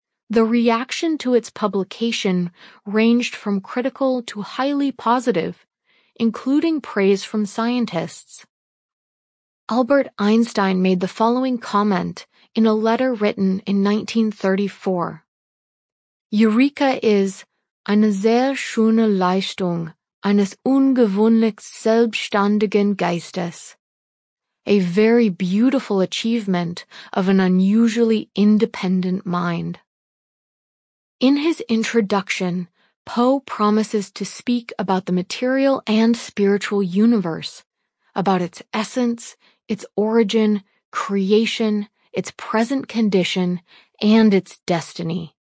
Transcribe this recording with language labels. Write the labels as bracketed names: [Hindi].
[English] The reaction to its publication ranged from critical to highly positive, including praise from scientists. Albert Einstein made the following comment in a letter written in 1934. [German] Eureka is eine sehr schöne Leistung eines ungewöhnlich selbstständigen Geistes, [English] a very beautiful achievement of an unusually independent mind. In his introduction, Poe promises to speak about the material and spiritual universe, about its essence, its origin, creation, its present condition, and its destiny.